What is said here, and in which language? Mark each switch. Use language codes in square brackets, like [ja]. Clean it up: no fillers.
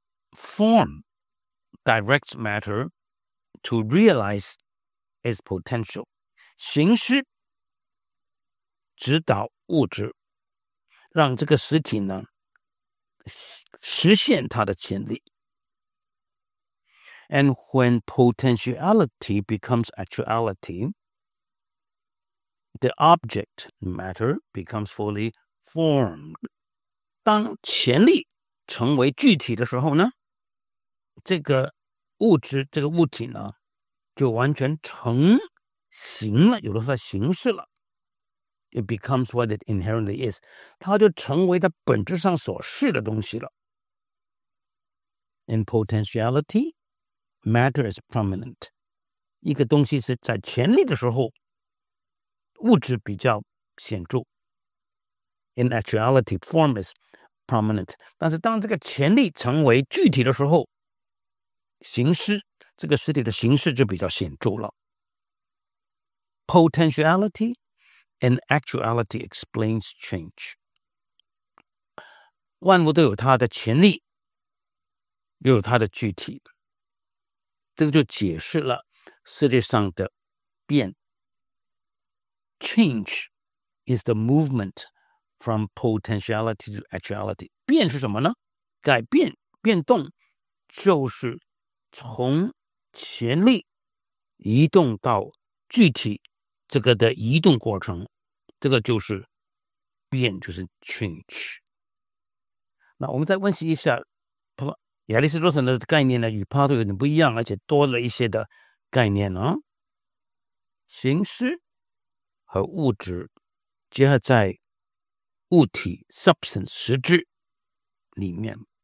[en] Form directs matter to realize its potential. [zh] 形式指导物质，让这个实体呢实现它的潜力。 [en] And when potentiality becomes actuality, the object matter becomes fully formed. [zh] 当潜力成为具体的时候呢，这个物质，这个物体呢，就完全成形了，有的说形式了。 [en] It becomes what it inherently is. [zh] 它就成为它本质上所是的东西了。 [en] In potentiality,Matter is prominent. [zh] 一个东西是在潜力的时候，物质比较显著。 [en] In actuality, form is prominent. [zh] 但是当这个潜力成为具体的时候，形式，这个实体的形式就比较显著了。 [en] Potentiality and actuality explains change. [zh] 万物都有它的潜力，又有它的具体。这个就解释了世界上的变。 [en] Change is the movement from potentiality to actuality. [zh] 变是什么呢？改变、变动，就是从潜力移动到具体，这个的移动过程，这个就是变，就是 change。那我们再温习一下。亚里士多德的概念呢，与帕托有点不一样，而且多了一些的概念呢、形式和物质结合在物体 substance 实质里面。